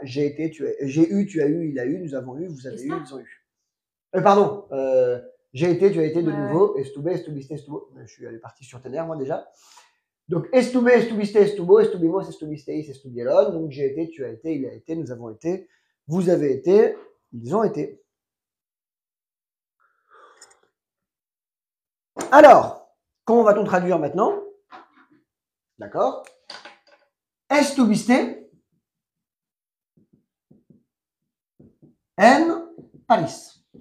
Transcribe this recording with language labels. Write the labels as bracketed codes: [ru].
[fr] J'ai été, tu as, j'ai eu, tu as eu, il a eu, nous avons eu, vous avez eu, ils ont eu. Pardon, j'ai été, tu as été de nouveau, [es] estuve, estuviste, estuvo. [fr] Je suis allé parti sur tes nerfs, moi, déjà. [es] Donc, estuve, estuviste, estuvo, estuvimos, estuvisteis, estuvieron. [fr] Donc, j'ai été, tu as été, il a été, nous avons été, vous avez été, ils ont été. Alors, comment va-t-on traduire maintenant? D'accord? [es] Estuviste en Paris.